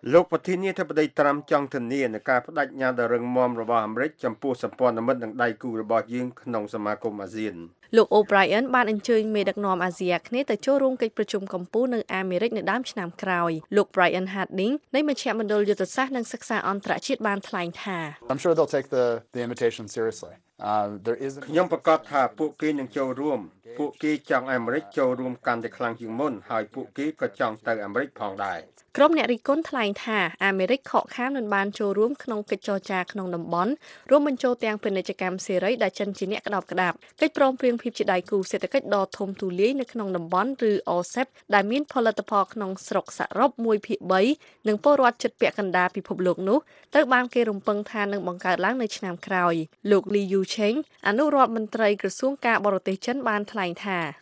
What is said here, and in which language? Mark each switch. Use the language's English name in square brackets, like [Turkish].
[Khmer] លោកប្រធានាធិបតីត្រាំចង់ធានានៃការបដិញ្ញាដ៏រឹងមាំរបស់អាមេរិកចំពោះសម្ព័ន្ធមិត្តនិងដៃគូរបស់យើងក្នុងសមាគមអាស៊ាន ។លោក O'Brien បានអញ្ជើញមេដឹកនាំអាស៊ីអាគ្នេយ៍ទៅចូលរួមកិច្ចប្រជុំកម្ពុជានៅអាមេរិកនៅដើមឆ្នាំក្រោយ។លោក Brian Harding នៃមជ្ឈមណ្ឌលយុទ្ធសាស្ត្រនិងសិក្សាអន្តរជាតិបានថ្លែងថា [English] I'm sure they'll take the invitation seriously. There is [Khmer] ខ្ញុំប្រកាសថាពួកគេនឹងចូលរួមពួកគេចង់អាមេរិកចូលរួមកាន់តែខ្លាំងជាងមុនហើយពួកគេក៏ចង់ទៅអាមេរិកផងដែរ ក្រុមអ្នករិះគន់ថ្លែងថាអាមេរិកខកខានមិនបានចូលរួមក្នុងកិច្ចចរចាក្នុងតំបន់រួមបញ្ចូលទាំងពាណិជ្ជកម្មសេរីដែលចិនជាអ្នកក្តោបក្តាប់កិច្ចព្រមព្រៀងភាពជាដៃគូសេដ្ឋកិច្ចដ៏ធំទូលាយនៅក្នុងតំបន់ឬ OSEP ដែលមានផលិតផលក្នុងស្រុកសរុប 1/3 និងពលរដ្ឋជិតពាក់កណ្ដាលពិភពលោកនោះត្រូវបានគេរំពឹងថានឹងបង្កើតឡើងនៅឆ្នាំក្រោយលោក Li Yucheng អនុរដ្ឋមន្ត្រីក្រសួងការបរទេសចិនបានថ្លែងថា